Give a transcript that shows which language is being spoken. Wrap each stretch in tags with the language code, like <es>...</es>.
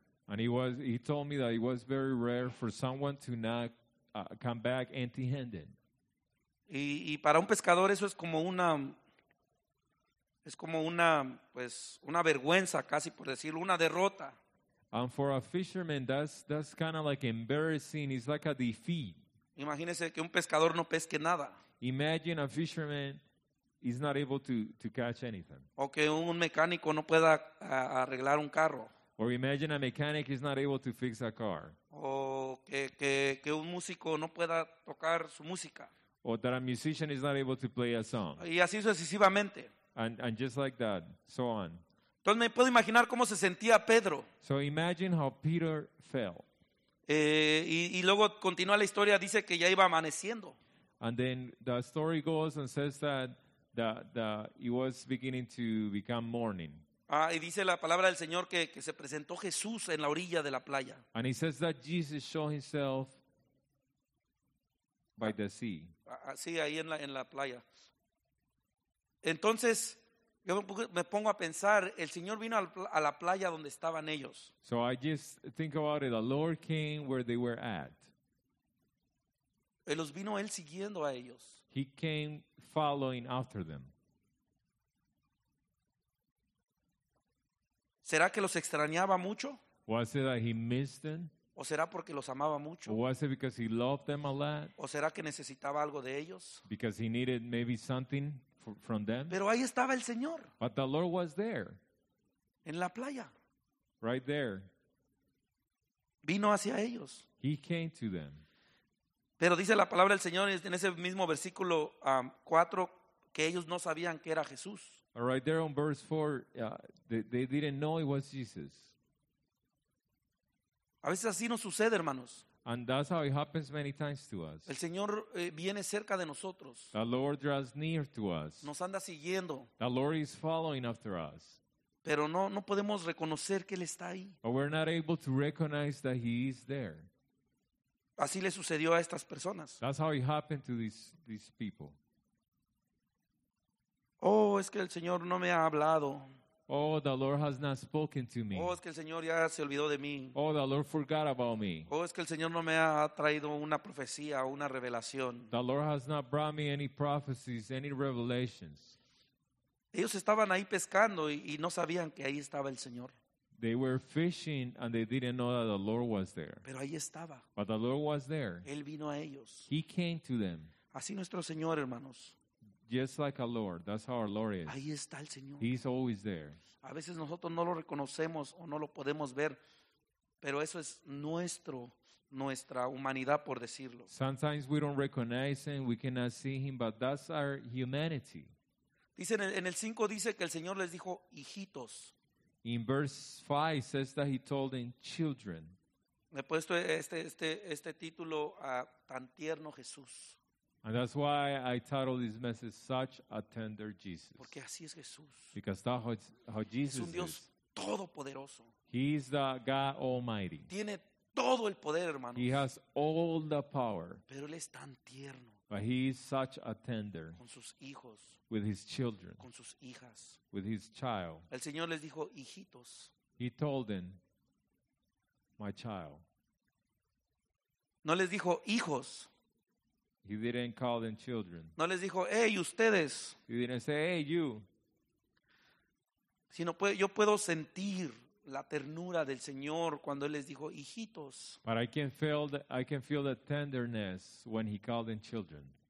<en>And he told me that it was very rare for someone to not come back empty-handed.</en> <es>Y para un pescador eso es como una Es como una, pues, una vergüenza, casi por decirlo, una derrota.</es> <en>And for a fisherman, that's kind of like embarrassing. It's like a defeat.</en> <es>Imagínese que un pescador no pesque nada.</es> <en>Imagine a fisherman is not able to catch anything.</en> <es>O que un mecánico no pueda arreglar un carro.</es> <en>Or imagine a mechanic is not able to fix a car.</en> <es>O que un músico no pueda tocar su música.</es> <en>Or that a musician is not able to play a song.</en> <es>Y así sucesivamente.</es> <en>And just like that, so on.</en> <es>Entonces me puedo imaginar cómo se sentía Pedro.</es> <en>So imagine how Peter felt.</en> <es>Y luego continúa la historia, dice que ya iba amaneciendo.</es> <en>And then the story goes and says that it was beginning to become morning.</en> <es>Ah, y dice la palabra del Señor que se presentó Jesús en la orilla de la playa.</es> <en>And he says that Jesus showed himself by the sea.</en> <es>Sí, ahí en la playa. Entonces yo me pongo a pensar, el Señor vino a la playa donde estaban ellos.</es> <en>So I just think about it, the Lord came where they were at.</en> <es>Él los vino él siguiendo a ellos.</es> <en>He came following after them.</en> <es>¿Será que los extrañaba mucho?</es> <en>Was it that he missed them?</en> <es>¿O será porque los amaba mucho?</es> <en>Or was it because he loved them a lot?</en> <es>¿O será que necesitaba algo de ellos?</es> <en>Because he needed maybe something from them.</en> <es>Pero ahí estaba el Señor.</es> <en>But the Lord was there.</en> <es>En la playa.</es> <en>Right there.</en> <es>Vino hacia ellos.</es> <en>He came to them.</en> <es>Pero dice la palabra del Señor en ese mismo versículo 4 que ellos no sabían que era Jesús.</es> <en>Right there on verse 4, they didn't know it was Jesus.</en> <es>A veces así nos sucede, hermanos.</es> <en>And that's how it happens many times to us.</en> <es>El Señor viene cerca de nosotros.</es> <en>The Lord draws near to us.</en> <es>Nos anda siguiendo.</es> <en>The Lord is following after us.</en> <es>Pero no podemos reconocer que Él está ahí.</es> <en>But we're not able to recognize that He is there.</en> <es>Así le sucedió a estas personas.</es> <en>That's how it happened to these people.</en> <es>Oh, es que el Señor no me ha hablado.</es> <en>Oh, the Lord has not spoken to me.</en> <es>Oh, es que el Señor ya se olvidó de mí.</es> <en>Oh, the Lord forgot about me.</en> <es>Oh, es que el Señor no me ha traído una profecía o una revelación.</es> <en>The Lord has not brought me any prophecies, any revelations.</en> <es>Ellos estaban ahí pescando y no sabían que ahí estaba el Señor.</es> <en>They were fishing and they didn't know that the Lord was there.</en> <es>Pero ahí estaba.</es> <en>But the Lord was there.</en> <es>Él vino a ellos.</es> <en>He came to them.</en> <es>Así nuestro Señor, hermanos.</es> <en>Just like a Lord, that's how our Lord is.</en> <es>Ahí está el Señor.</es> <en>He's always there.</en> <es>A veces nosotros no lo reconocemos o no lo podemos ver, pero eso es nuestra humanidad, por decirlo.</es> <en>Sometimes we don't recognize him, we cannot see him, but that's our humanity.</en> <es>Dice en el 5 dice que el Señor les dijo hijitos.</es> <en>In verse 5 says that he told them children.</en> <es>Le he puesto este título a tan tierno Jesús.</es> <en>And that's why I titled this message Such a Tender Jesus.</en> <es>Porque así es Jesús.</es> <en>Because that's how Jesus</en> <es>es un Dios todopoderoso.</es> <en>He is the God Almighty.</en> <es>Tiene todo el poder, hermanos.</es> <en>He has all the power.</en> <es>Pero él es tan tierno.</es> <en>But he is such a tender.</en> <es>Con sus hijos.</es> <en>With his children.</en> <es>Con sus hijas.</es> <en>With his child.</en> <es>El Señor les dijo, hijitos.</es> <en>He told them, my child.</en> <es>No les dijo, hijos.</es> <en>He didn't call them children.</en> <es>No les dijo, hey, ustedes.</es> <en>He didn't say, hey, you.</en> <es>Sino yo puedo sentir la ternura del Señor cuando Él les dijo, hijitos.</es> <en>But I can feel the tenderness when He called them children.</en>